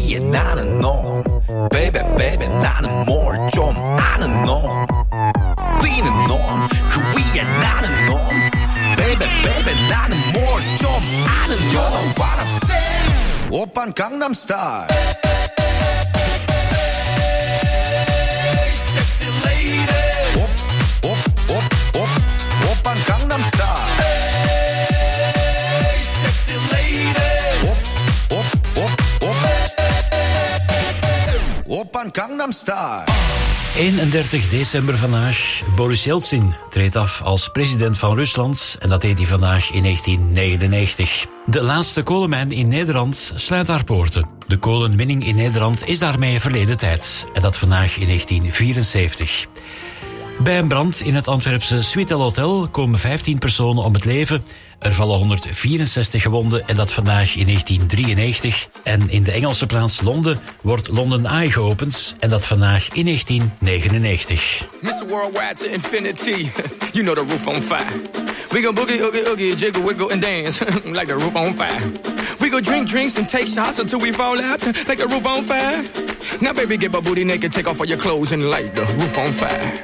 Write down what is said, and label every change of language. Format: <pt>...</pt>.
<ko>나는 놈</ko> <en>Baby baby</en> <ko>나는 뭘 좀 아는 놈 뛰는 놈 그 위에 나는 놈 Baby baby 나는 뭘 좀 아는 놈</ko> <en>You know what I'm saying</en> <ko>오빤 강남 스타일</ko> <en>Hey sexy lady</en> <ko>옵 옵 옵 옵 오빤 강남 스타일</ko> <en>Hey sexy lady 옵 옵 옵 옵</en> <ko>Oppan Gangnam Style.</ko> <nl>31 december vandaag. Boris Yeltsin treedt af als president van Rusland. En dat deed hij vandaag in 1999. De laatste kolenmijn in Nederland sluit haar poorten. De kolenwinning in Nederland is daarmee verleden tijd. En dat vandaag in 1974. Bij een brand in het Antwerpse Sweetel Hotel komen 15 personen om het leven. Er vallen 164 gewonden en dat vandaag in 1993. En in de Engelse plaats Londen wordt London Eye geopend en dat vandaag in 1999.</nl> <en>Mr. Worldwide to infinity, you know the roof on fire. We go boogie, oogie, oogie, jiggle, wiggle and dance, like the roof on fire. We go drink drinks and take shots until we fall out, like the roof on fire. Now baby, get my booty naked, take off all your clothes and light the roof on fire.</en>